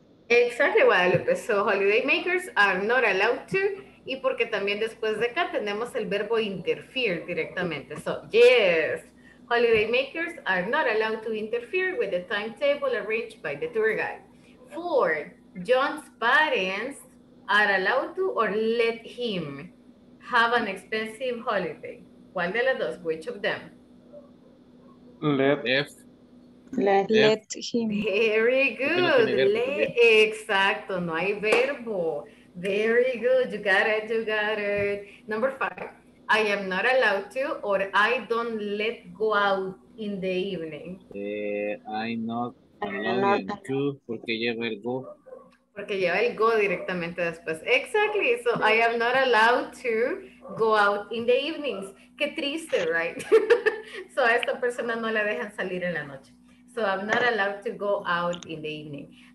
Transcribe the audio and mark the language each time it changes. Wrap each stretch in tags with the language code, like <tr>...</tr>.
<en>Exactly, Guadalupe. So, holiday makers are not allowed to.</en> <es>Y porque también después de acá tenemos el verbo interfere directamente.</es> <en>So, yes. Holiday makers are not allowed to interfere with the timetable arranged by the tour guide. Four, John's parents are allowed to or let him have an expensive holiday. ¿Cuál de las dos? Which of them? Let him. Very good. Exacto. No hay verbo. Very good. You got it. Number five. I am not allowed to, or I don't let go out in the evening. I'm not allowed to, porque lleva el go.</en> <es>Porque lleva el go directamente después.</es> <en>Exactly, so I am not allowed to go out in the evenings.</en> <es>Qué triste, right? So a esta persona no la dejan salir en la noche.</es> <en>So I'm not allowed to go out in the evening.</en>